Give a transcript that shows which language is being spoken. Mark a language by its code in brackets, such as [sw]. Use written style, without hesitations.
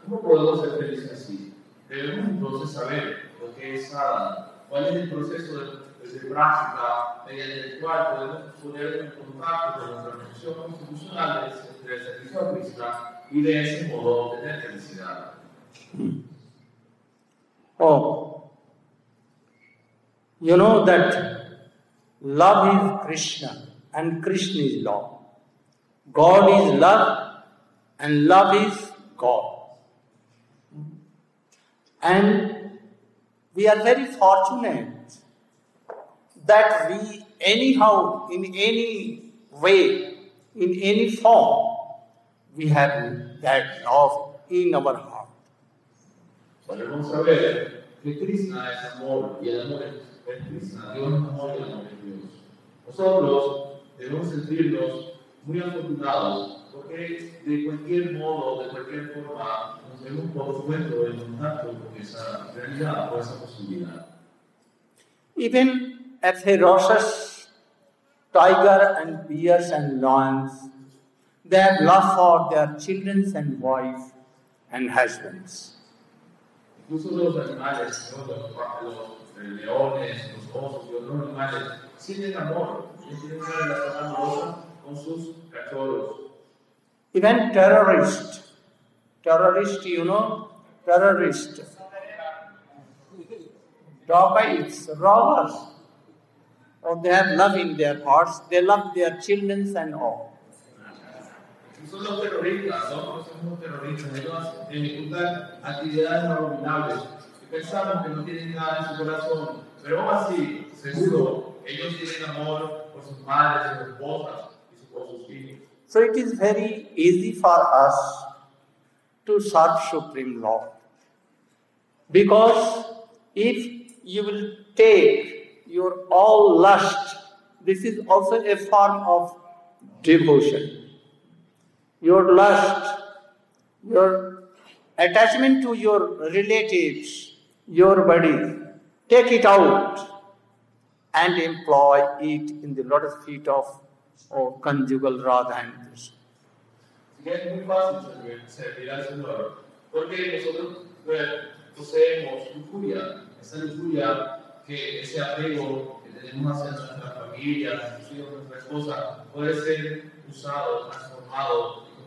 [es] ¿Cómo podemos ser felices así? Debemos entonces saber lo que es sadhana, cuál es el proceso de práctica mediante el cual podemos poner en contacto con nuestras relaciones constitucionales entre el servicio a Krishna y de ese modo obtener felicidad. [en] Oh, you know that love is Krishna and Krishna is love. God is love and love is God. And we are very fortunate that we anyhow, in any way, in any form, we have that love in our heart. [es] Podemos saber que Krishna es amor y el amor es Krishna. Dios es amor y el amor es Dios. Nosotros debemos sentirnos muy afortunados, porque de cualquier modo, de cualquier forma, nos hemos puesto en contacto con esa realidad, con esa posibilidad. [en] Even a ferocious tiger and bears and lions, they have love for their children and wives and husbands. [es] Incluso los animales, los leones, los osos y otros animales, sienten amor, tienen una relación amorosa con sus cachorros. [en] Even terrorists, you know, terrorists, dogs, robbers, oh, they have love in their hearts, they love their children and all. [es] Son los terroristas, ¿no? Son los terroristas, ellos ejecutan actividades abominables. Pensamos que no tienen nada en su corazón, pero aún así, seguro, ellos tienen amor por sus madres, por sus esposas y por sus hijos. [en] So it is very easy for us to serve Supreme Lord. Because if you will take your all lust, this is also a form of devotion. Your lust, your attachment to your relatives, your body, take it out and employ it in the lotus feet of conjugal Radha and Krishna. [es] Es muy fácil servir al Señor, porque nosotros poseemos lujuria, esa lujuria que ese apego que tenemos hacia nuestra familia, nuestros hijos, nuestra esposa, puede ser usado, transformado.